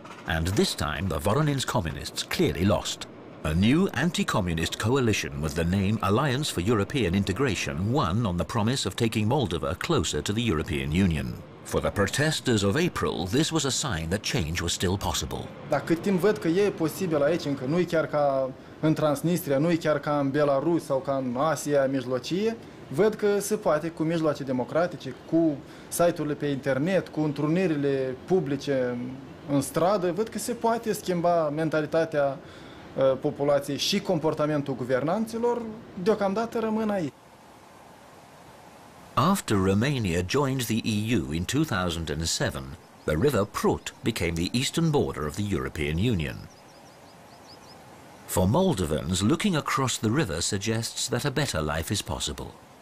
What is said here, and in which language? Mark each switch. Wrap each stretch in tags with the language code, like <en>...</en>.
<en>And this time, the Voronin's communists clearly lost. A new anti-communist coalition with the name Alliance for European Integration won on the promise of taking Moldova closer to the European Union. For the protesters of April, this was a sign that change was still possible.</en> <ro>Da, cât timp văd că e posibil aici, încă nu e chiar ca în Transnistria, nu e chiar ca în Belarus sau ca în Asia Mijlocie, văd că se poate cu mijloace democratice, cu site-urile pe internet, cu întrunirile publice în stradă, văd că se poate schimba mentalitatea populației și comportamentul guvernanților, deocamdată rămân aici.</ro> <en>After Romania joined the EU in 2007, the river Prut became the eastern border of the European Union. For Moldovans, looking across the river suggests that a better life is possible.</en>